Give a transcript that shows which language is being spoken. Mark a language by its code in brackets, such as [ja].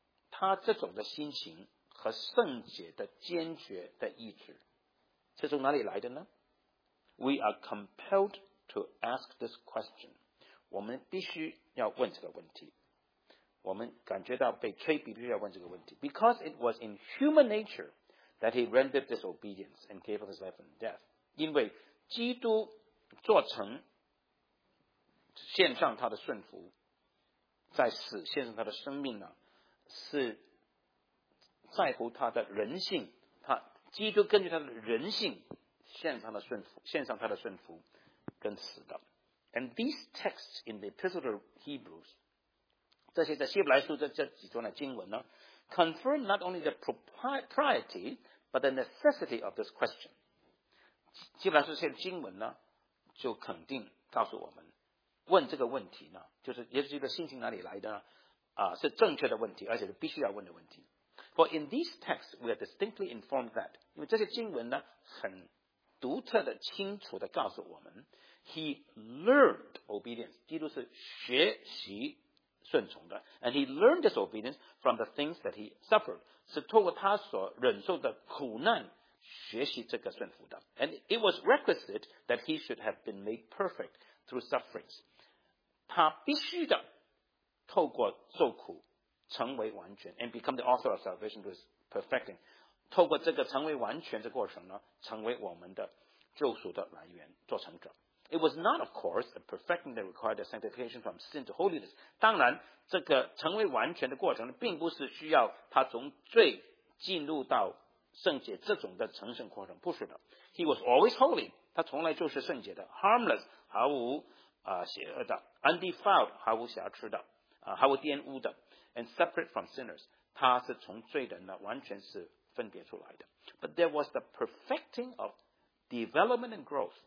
[zh] 他这种的心情和圣洁的坚决的意志，是从哪里来的呢？ [en] We are compelledto ask this question. [zh] 我们必须要问这个问题。我们感觉到被催逼必须要问这个问题。 [en] Because it was in human nature that he rendered disobedience and gave up his life and death. [zh] 因为基督做成献上他的顺服，在死献上他的生命呢，是在乎他的人性，他基督根据他的人性献上的顺服，献上他的顺服跟死的。 [en] And these texts in the Epistle to Hebrews, [zh] 这些在希伯来书 这几段的经文呢， [en] confirm not only the propriety, but the necessity of this question. [zh] 希伯来书这些经文呢，就肯定告诉我们，问这个问题呢，就是耶稣基督的信心哪里来的呢，是正确的问题，而且是必须要问的问题。 [en] For in these texts, we are distinctly informed that, [zh] 因为这些经文呢，很独特的清楚的告诉我们 [en] He learned obedience [zh] 基督是学习顺从的 [en] And he learned this obedience from the things that he suffered [zh] 是透过他所忍受的苦难学习这个顺服的 [en] And it was requisite that he should have been made perfect through sufferings [zh] 他必须的透过受苦成为完全 [en] And become the author of salvation through his perfecting [zh] 透过这个成为完全的过程呢，成为我们的救赎的来源，做成者。 [en] It was not, of course, the perfecting that required the sanctification from sin to holiness. [zh] 当然，这个成为完全的过程并不是需要他从罪进入到圣洁这种的成圣过程，不是的。 [en] He was always holy. [zh] 他从来就是圣洁的 ，harmless， 毫无邪恶的 ，undefiled， 毫无瑕疵的，毫无玷污的 ， [en] and separate from sinners. [zh] 他是从罪人呢，完全是分别出来的。 [en] But there was the perfecting of development and growth.